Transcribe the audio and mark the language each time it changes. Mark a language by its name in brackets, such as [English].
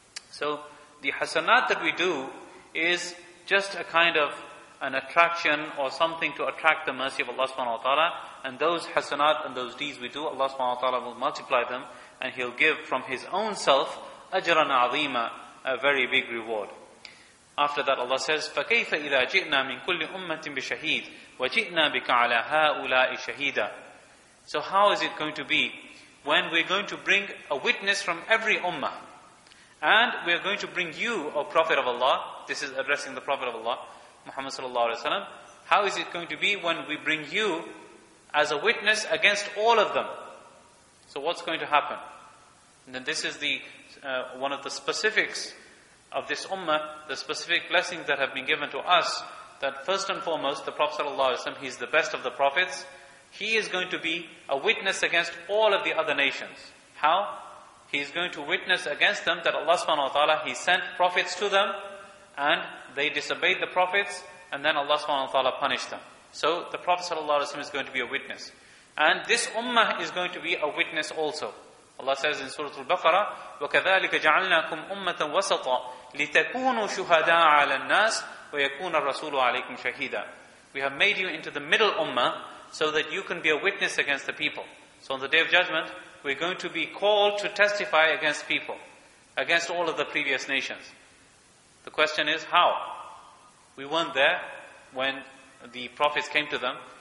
[English] So the hasanat that we do is just a kind of an attraction or something to attract the mercy of Allah subhanahu wa ta'ala, and those hasanat and those deeds we do, Allah subhanahu wa ta'ala will multiply them and He'll give from His own self ajran azima, a very big reward. After that Allah says, [Arabic] فَكَيْفَ إِذَا جِئْنَا مِنْ كُلِّ أُمَّةٍ بِشَهِيدٍ وَجِئْنَا بِكَ عَلَى هَؤُلَاءِ شَهِيدًا. [English] So how is it going to be when we're going to bring a witness from every ummah, and we're going to bring you, O Prophet of Allah, this is addressing the Prophet of Allah, Muhammad sallallahu alayhi wa sallam, how is it going to be when we bring you as a witness against all of them? So what's going to happen? And then this is the one of the specifics of this ummah, the specific blessings that have been given to us, that first and foremost, the Prophet sallallahu alayhi wa sallam, he's the best of the prophets. He is going to be a witness against all of the other nations. How? He is going to witness against them that Allah subhanahu wa ta'ala, He sent prophets to them, and they disobeyed the prophets, and then Allah subhanahu wa ta'ala punished them. So the Prophet sallallahu alayhi wa sallam is going to be a witness. And this ummah is going to be a witness also. Allah says in Surah Al-Baqarah, [Arabic] وَكَذَلِكَ جَعَلْنَاكُمْ أُمَّةً وَسَطًا لِتَكُونُوا شُهَدَاءَ عَلَى النَّاسِ وَيَكُونَ الرَّسُولُ عَلَيْكُمْ شَهِيدًا. [English] We have made you into the middle ummah so that you can be a witness against the people. So on the Day of Judgment, we're going to be called to testify against people, against all of the previous nations. The question is, how? We weren't there when the prophets came to them.